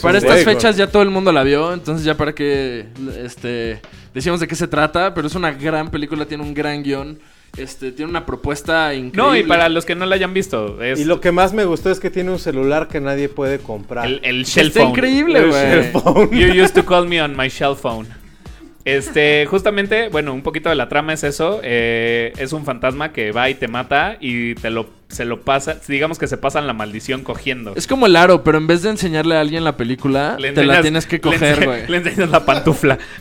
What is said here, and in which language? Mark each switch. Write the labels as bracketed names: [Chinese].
[Spanish] para estas hueco. Fechas ya todo el mundo la vio, entonces ya para que decíamos de qué se trata, pero es una gran película, tiene un gran guión, tiene una propuesta increíble. No, y para los que no la hayan visto. Y lo que más me gustó es que tiene un celular que nadie puede comprar. El shell phone. Está increíble, güey. [English] You used to call me on my shell phone. [Spanish] Justamente, bueno, un poquito de la trama es eso. Es un fantasma que va y te mata y se lo pasa. Digamos que se pasan la maldición cogiendo. Es como el aro, pero en vez de enseñarle a alguien la película, te la tienes que coger, güey. Le enseñas la pantufla.